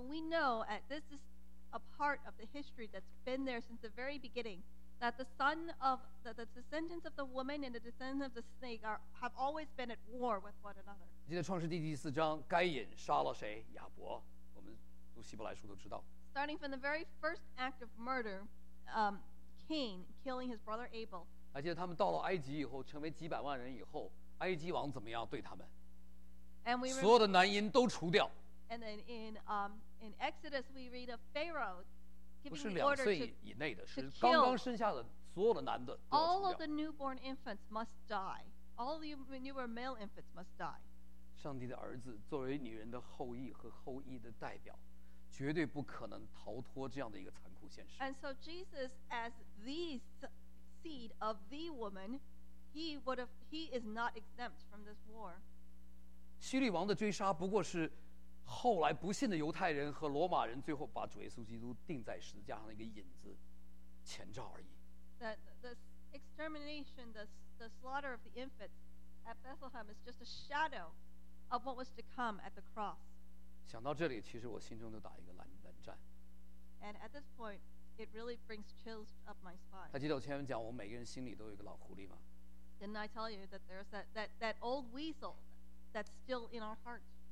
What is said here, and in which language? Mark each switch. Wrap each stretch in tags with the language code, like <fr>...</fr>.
<en>we know that this is a part of the history that's been there since the very beginning, that the son of the descendants of the woman and the descendants of the snake have always been at war with one another.</en> <zh>记得创世纪第四章，该隐杀了谁？亚伯。</zh> <en>Starting from the very first act of murder, Cain killing his brother Abel.</en> <zh>还记得他们到了埃及以后，成为几百万人以后，埃及王怎么样对他们？</zh> <en>And we</en> <zh>所有的男婴都除掉。</zh> <en>And then in Exodus, we read of Pharaoh giving the order to kill.</en> <zh>不是两岁以内的，是刚刚生下的所有的男的。</zh> <en>All of the newborn infants must die. All the newborn male infants must die.</en> <zh>上帝的儿子作为女人的后裔和后裔的代表。绝对不可能逃脱这样的一个残酷现实。</zh> <en>And so Jesus, as the seed of the woman, he is not exempt from this war.</en> <zh>希律王的追杀不过是后来不信的犹太人和罗马人最后把主耶稣基督钉在十字架上的一个影子、前兆而已。</zh> <en>That the extermination, the slaughter of the infants at Bethlehem is just a shadow of what was to come at the cross.</en> <zh>想到这里，其实我心中就打一个冷战。</zh> <en>And at this point, it really brings chills up my spine.</en> <zh>还记得我前面讲，我们每个人心里都有一个老狐狸吗</zh> <en>？Didn't I tell you that there's that old weasel that's still in our hearts?</en>